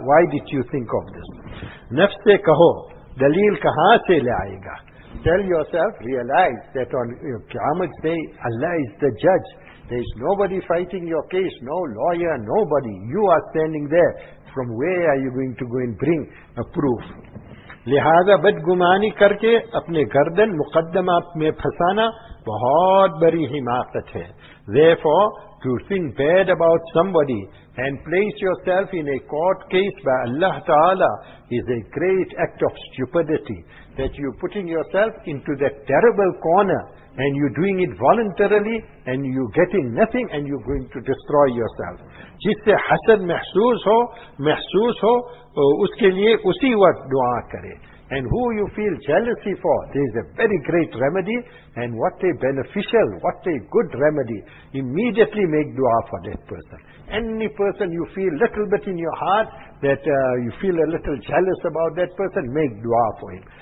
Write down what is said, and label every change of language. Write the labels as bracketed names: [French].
[English] Why did you think of this? [Urdu] Nafse kaho, daleel kahan se laayega? [English] Tell yourself, realize that on Qiyamah Day, Allah is the judge. There is nobody fighting your case, no lawyer, nobody. You are standing there. From where are you going to go and bring a proof? [Urdu] لہذا بدگمانی کر کے اپنے گردن مقدمہ میں پھسانا بہت بری حماقت ہے. [English] Therefore, to think bad about somebody and place yourself in a court case by Allah Ta'ala is a great act of stupidity. That you're putting yourself into that terrible corner and you're doing it voluntarily and you're getting nothing and you're going to destroy yourself. [Urdu] جس سے حسد محسوس ہو اس کے لئے اسی وقت دعا کرے. [English] And who you feel jealousy for, there is a very great remedy, and what a beneficial, what a good remedy. Immediately make dua for that person. Any person you feel little bit in your heart, that you feel a little jealous about that person, make dua for him.